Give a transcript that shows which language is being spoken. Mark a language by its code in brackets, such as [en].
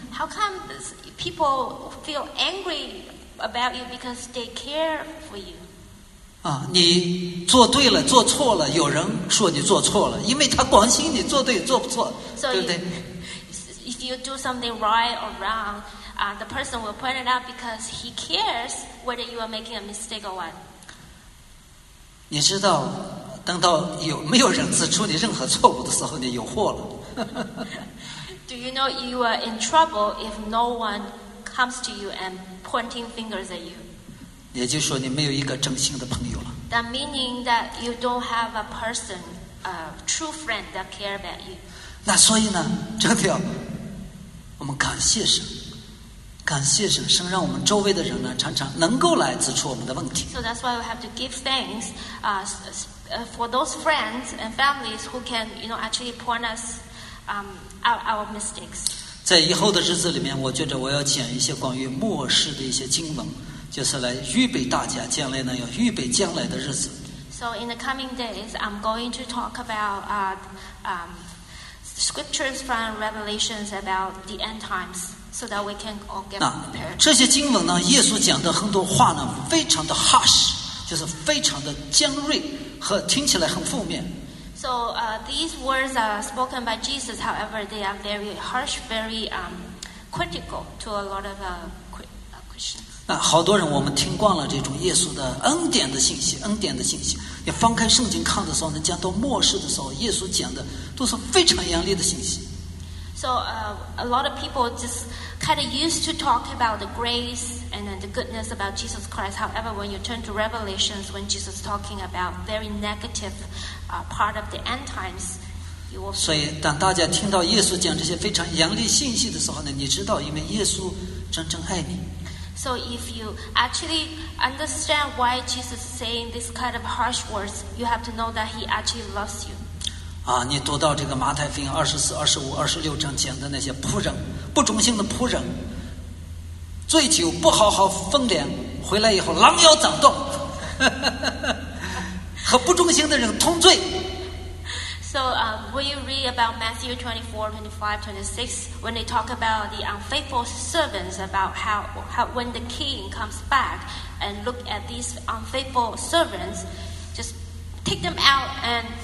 [en] How come people feel angry about you because they care for you? [zh] 你做对了，做错了，有人说你做错了，因为他关心你做对做不错， so、对不对 [en] ？If you do something right or wrong. The person will point it out because he cares whether you are making a mistake or what. [zh] 你知道，等到有没有人指出你任何错误的时候，你有祸了。 [en] Do you know you are in trouble if no one comes to you and pointing fingers at you? [zh] 也就是说，你没有一个真心的朋友了。 [en] That meaning that you don't have a person, a true friend that care about you. [zh] 那所以呢，真的要我们感谢神。感谢神，神让我们周围的人呢，常常能够来指出我们的问题。 [en] So that's why we have to give thanks, for those friends and families who can, you know, actually point us, our mistakes. [zh] 在以后的日子里面，我觉得我要讲一些关于末世的一些经文，就是来预备大家将来呢，要预备将来的日子。 [en] So in the coming days, I'm going to talk about, scriptures from Revelations about the end times. So that we can all get prepared. [zh] 这些经文呢，耶稣讲的很多话呢，非常的 harsh， 就是非常的尖锐和听起来很负面。 [en] So these words are spoken by Jesus. However, they are very harsh, very critical to a lot of Christians. [zh] 好多人我们听惯了这种耶稣的恩典的信息，恩典的信息。你翻开圣经看的时候呢，讲到末世的时候，耶稣讲的都是非常严厉的信息。 [en] So a lot of people just kind of used to talk about the grace and then the goodness about Jesus Christ. However, when you turn to Revelations, when Jesus is talking about very negative part of the end times, you will. [zh] 所以，当大家听到耶稣讲这些非常严厉信息的时候呢，你知道，因为耶稣真正爱你。 [en] So if you actually understand why Jesus is saying this kind of harsh words, you have to know that He actually loves you. [zh] 你读到这个马太福音24、25、26章讲的那些仆人，不忠心的仆人，醉酒不好好分粮，回来以后狼腰掌动，和不忠心的人同罪。 [en] So, when you read about Matthew 24, 25, 26, when they talk about the unfaithful servants, about how when the king comes back and look at these unfaithful servants, just take them out and.